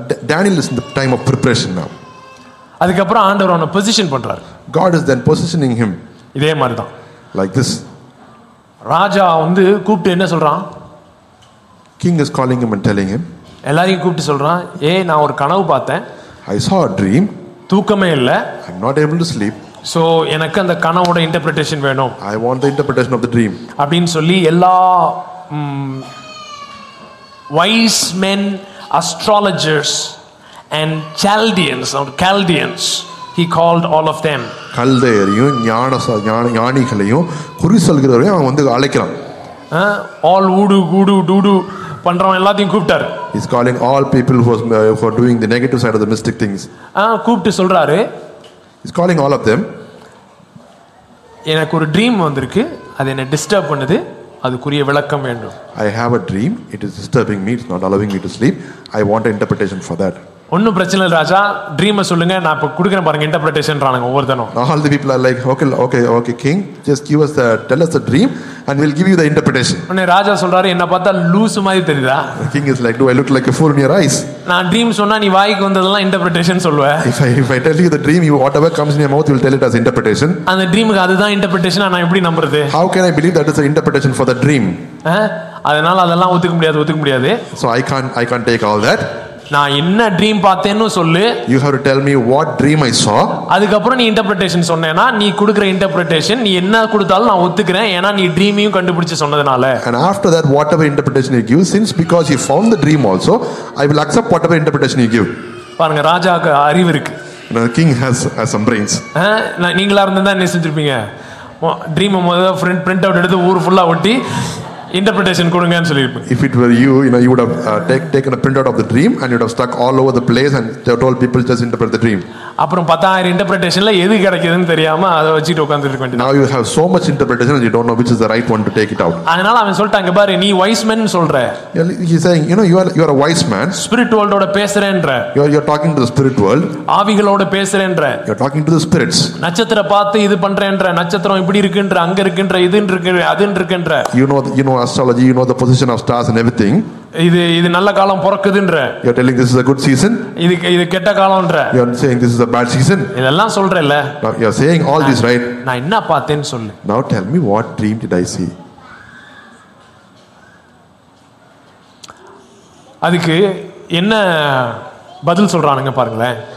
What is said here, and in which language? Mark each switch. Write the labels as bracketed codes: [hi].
[en] Daniel is in the time of preparation now. [ta] அதுக்கப்புறம் ஆண்டவர் அவனை position பண்றார். [en] God is then positioning him. [ta] இதே மாதிரிதான், [en] like this. [ta] ராஜா வந்து கூப்பிட்டு என்ன சொல்றான், [en] King is calling him and telling him, [ta] எல்லாரையும் கூப்பிட்டு சொல்றான், ஏ நான் ஒரு கனவு பார்த்தேன், [en] I saw a dream, [ta] தூக்கமே இல்லை, [en] I'm not able to sleep, [ta] so எனக்கு அந்த கனவோட interpretation வேணும், [en] I want the interpretation of the dream [ta] அப்படின்னு சொல்லி எல்லா [en] wise men, astrologers and Chaldeans or Chaldeans, he called all of them. [ta] கல்தேயரையும் ஞானிகளையும் குறி சொல்கிறவரையும் அவன் வந்து அழைக்கிறான். ஆல் ஊடு கூடு டூடு பண்றவங்க எல்லாத்தையும் கூப்பிட்டாரு. [en] He is calling all people who are doing the negative side of the mystic things. [ta] கூப்பிட்டு சொல்றாரு. [en] He is calling all of them. [ta] எனக்கு ஒரு ட்ரீம் வந்திருக்கு, அது என்னை டிஸ்டர்ப் பண்ணுது, அதுக்குரிய விளக்கம் வேண்டும். [en] I have a dream, it is disturbing me, it's not allowing me to sleep. I want an interpretation for that. [ta] ஒன்னும் பிரச்சனை இல்ல ராஜா, ட்ரீமை சொல்லுங்க, நான் இப்ப குடுக்குறேன் பாருங்க இன்டர்பிரேஷன் ராணுங்க ஒவ்வொருத்தனும். [en] All the people are like, okay, okay, okay, king, just give us the, tell us the dream and we'll give you the interpretation. [ta] உடனே ராஜா சொல்றாரு, என்ன பார்த்தா லூஸ் மாதிரி தெரியுதா? [en] The king is like, do I look like a fool in your eyes? [ta] நான் dream சொன்னா நீ வாய்க்கு வந்ததெல்லாம் இன்டர்பிரேஷன் சொல்வே. [en] If I tell you the dream, you whatever comes in your mouth, you will tell it as interpretation. [ta] அந்த ட்ரீமுக்கு அதுதான் இன்டர்பிரேஷனா நான் எப்படி நம்புறது? [en] How can I believe that is an interpretation for the dream? [ta] அதனால அதெல்லாம் ஒத்துக்க முடியாது, ஒத்துக்க முடியாது. [en] So I can't take all that. [ta] நான் என்ன ட்ரீம் பார்த்தேன்னு சொல்லு. [en] You have to tell me what dream I saw. [ta] அதுக்கு அப்புறம் நீ இன்டர்ப்ரெடேஷன் சொன்னேனா, நீ கொடுக்கிற இன்டர்ப்ரெடேஷன் நீ என்ன கொடுத்தாலும் நான் ஒத்துக்கறேன், ஏனா நீ ட்ரீமையும் கண்டுபிடிச்சு சொன்னதனால. [en] And after that whatever interpretation you give, since because you found the dream also, I will accept whatever interpretation you give. [ta] பாருங்க ராஜாக்கு அறிவு இருக்கு. [en] Now king has some brains. [ta] நீங்களா இருந்தா என்ன செஞ்சிருப்பீங்க? ட்ரீம் முதல்ல பிரிண்ட் அவுட் எடுத்து ஊர் ஃபுல்லா ஒட்டி interpretation kudunga nu solirpu. [en] If it were you, you know, you would have taken a print out of the dream and you would have stuck all over the place and told people just interpret the dream. [ta] அப்புறம் 10000 interpretation la எது கிடைக்குதுன்னு தெரியாம அத வச்சிட்டு உட்கார்ந்திருக்க வேண்டியது. [en] Now you have so much interpretation and you don't know which is the right one to take it out. [ta] அதனால அவன் சொல்றாங்க, பாரு நீ wise man சொல்ற. [en] He saying, you know, you are a wise man. [ta] Spirit world oda pesurenr. [en] You are talking to the spirit world. [ta] ஆவிகளோட பேசுறேன்ற. [en] You are talking to the spirits. [ta] நட்சத்திர பார்த்து இது பண்றேன்ற. நட்சத்திரம் இப்படி இருக்குன்ற, அங்க இருக்குன்ற, இதுன்ற. [en] You know astrology, you know the position of stars and everything. [ta] இது நல்ல காலம் பிறக்குதுன்ற. [en] You are telling this is a good season. [ta] இது கெட்ட காலம்ன்ற. [en] You are saying this is a bad season. [ta] இதெல்லாம் சொல்ற இல்ல. [en] You are saying all this, right? [ta] நான் என்ன பார்த்தேன்னு சொல்லு. [en] Now tell me, what dream did I see? [ta] அதுக்கு என்ன பதில் சொல்றானுங்க பாருங்களே.